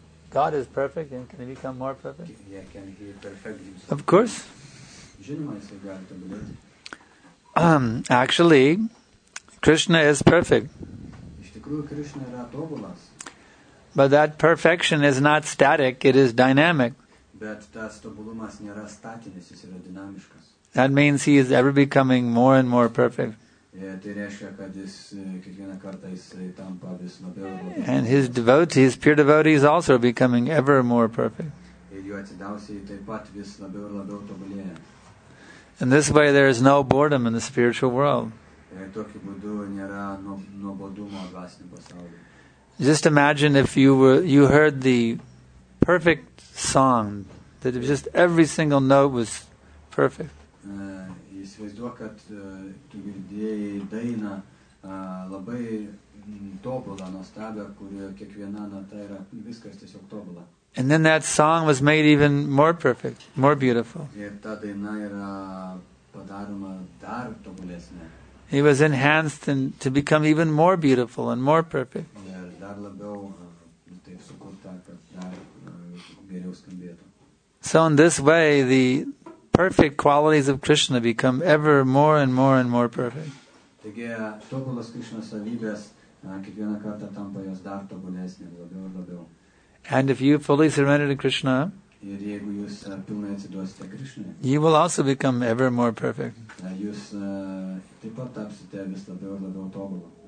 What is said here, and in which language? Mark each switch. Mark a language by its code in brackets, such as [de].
[en] God is perfect, and can he become more perfect? Can he perfect himself? Of course. [lt] Žinoma, jis gali tobulėti. [en] Actually, Krishna is perfect. [lt] Iš tikrųjų, Krishna yra tobulas. [en] But that perfection is not static, it is dynamic. [lt] Bet tas tobulumas nėra statinis, jis yra dinamiškas. [en] That means he is ever becoming more and more perfect. [lt] Tai reiškia, kad jis kiekvieną kartą jis tampa vis labiau. [en] And his devotees, his pure devotees also are becoming ever more perfect. [lt] Ir jų atsidavusieji taip pat vis labiau ir labiau tobulėja. [en] In this way there is no boredom in the spiritual world. [lt] Tokiu būdu nėra nuobodumo dvasiniam pasaulyje. [en] Just imagine if you heard the perfect song, that if just every single note was perfect. [lt] Įsivaizduok, kad tu girdėjai dainą labai tobulą, nuostabią, kurioje kiekviena nata yra viskas tiesiog tobulą. [en] And then that song was made even more perfect, more beautiful. [lt] Ir ta daina yra padaroma dar tobulesnė. [en] It was enhanced and to become even more beautiful and more perfect. [lt] Ir dar labiau taip sukurta, kad dar geriau skambėtų. [en] So in this way, the perfect qualities of Krishna become ever more and more and more perfect. [lt] Taigi, tobulas Krishna savybės kiekvieną kartą tampa jos dar tobulesnės, labiau ir labiau. [en] And if you fully surrender to Krishna, [lt] ir jeigu jūs pilnai atsiduosite Krishnai, [en] you will also become ever more perfect. [lt] Jūs taip pat tapsite vis labiau ir labiau tobulu.